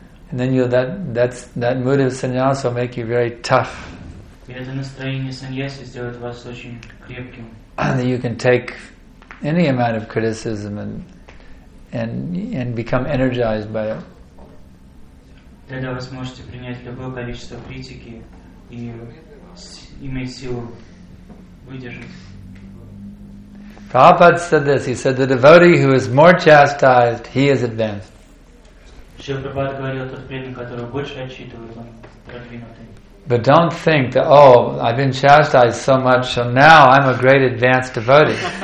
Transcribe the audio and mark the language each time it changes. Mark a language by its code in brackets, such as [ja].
[en] And then you that mood of sannyasi will make you very tough. [ru] И это настроение саньяси сделает вас очень крепким. [en] And you can take any amount of criticism and become energized by it. [ru] Тогда вы сможете принять любое количество критики и иметь силу выдержать. [en] Prabhupada said this. He said, "The devotee who is more chastised, he is advanced." [ru] Шрила Прабхупада говорил, тот преданный, который больше отчитывает, он продвинутый. [en] But don't think that, oh, I've been chastised so much, so now I'm a great advanced devotee.